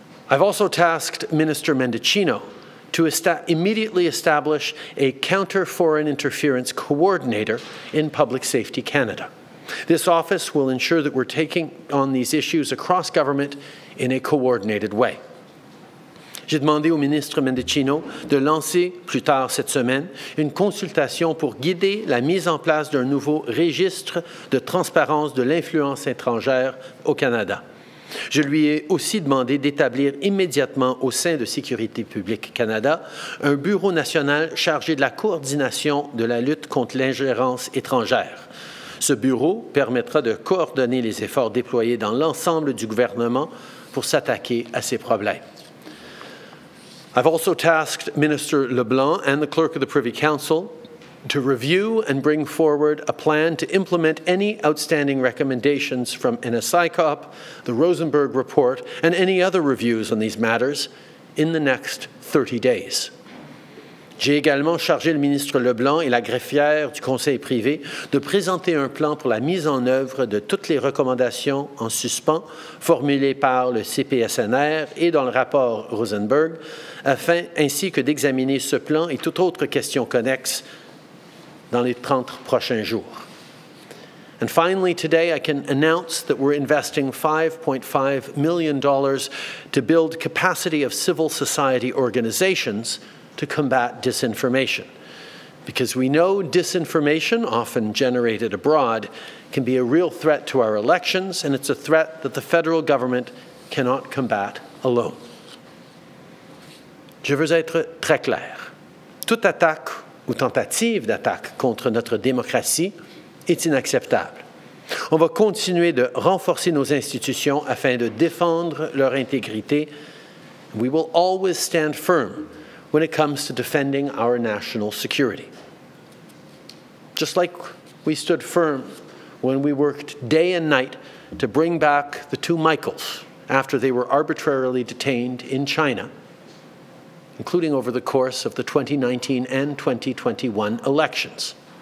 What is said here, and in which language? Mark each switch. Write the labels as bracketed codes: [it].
[en] I've also tasked Minister Mendicino to immediately establish a counter-foreign interference coordinator in Public Safety Canada. This office will ensure that we're taking on these issues across government in a coordinated way. [fr] J'ai demandé au ministre Mendicino de lancer, plus tard cette semaine, une consultation pour guider la mise en place d'un nouveau registre de transparence de l'influence étrangère au Canada. Je lui ai aussi demandé d'établir immédiatement au sein de Sécurité publique Canada un bureau national chargé de la coordination de la lutte contre l'ingérence étrangère. Ce bureau permettra de coordonner les efforts déployés dans l'ensemble du gouvernement pour s'attaquer à ces problèmes. [en] I've also tasked Minister LeBlanc and the Clerk of the Privy Council to review and bring forward a plan to implement any outstanding recommendations from NSICOP, the Rosenberg Report, and any other reviews on these matters in the next 30 days. [fr] J'ai également chargé le ministre LeBlanc et la greffière du Conseil privé de présenter un plan pour la mise en œuvre de toutes les recommandations en suspens formulées par le CPSNR et dans le rapport Rosenberg, afin ainsi que d'examiner ce plan et toute autre question connexe dans les 30 prochains jours. [en] And finally, today I can announce that we're investing $5.5 million to build capacity of civil society organizations to combat disinformation, because we know disinformation, often generated abroad, can be a real threat to our elections, and it's a threat that the federal government cannot combat alone. [fr] Je veux être très clair. Toute attaque ou tentative d'attaque contre notre démocratie est inacceptable. On va continuer de renforcer nos institutions afin de défendre leur intégrité. [en] We will always stand firm when it comes to defending our national security. Just like we stood firm when we worked day and night to bring back the two Michaels after they were arbitrarily detained in China, including over the course of the 2019 and 2021 elections.